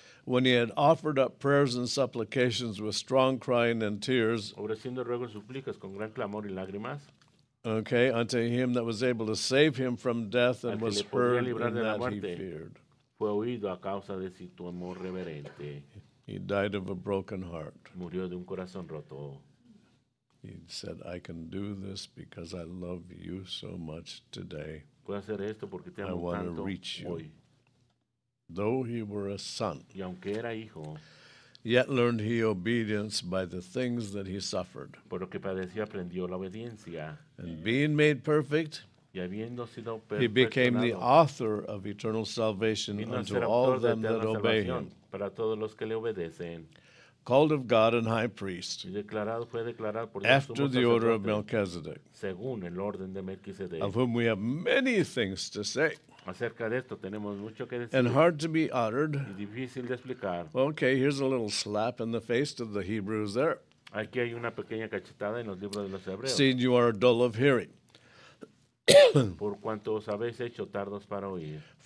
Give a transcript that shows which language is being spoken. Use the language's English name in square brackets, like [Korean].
[English] when he had offered up prayers and supplications with strong crying and tears, [Spanish] ofreciendo ruegos y suplicas con gran clamor y lágrimas, [English] okay, unto him that was able to save him from death and was heard in that [Spanish] muerte, [English] he feared. [Spanish] Fue oído a causa de su temor reverente. [English] He died of a broken heart. [Spanish] Murió de un corazón roto. [English] He said, I can do this because I love you so much today. [Spanish] Puedo hacer esto porque te amo [English] I want [Spanish] tanto [English] to reach [Spanish] hoy. [English] You. Though he were a son, [Spanish] y aunque era hijo, [English] yet learned he obedience by the things that he suffered. [Spanish] Por lo que padeció, aprendió la obediencia. [English] And being made perfect, [Spanish] y habiendo sido perfectionado, [English] he became the author of eternal salvation unto all them that obey him. [Spanish] Para todos los que le obedecen. [English] Called of God and high priest [Spanish] y declarado, fue declarado por [English] after the order of Melchizedek, [Spanish] según el orden de Melchizedek, [English] of whom we have many things to say [Spanish] acerca de esto, tenemos mucho que decir, [English] and hard to be uttered. [Spanish] Y difícil de explicar. [English] Okay, here's a little slap in the face of the Hebrews there. [Spanish] Aquí hay una pequeña cachetada en los libros de los Hebreos. [English] Seeing you are dull of hearing. [Spanish] Por cuanto os habéis hecho tardos para oír.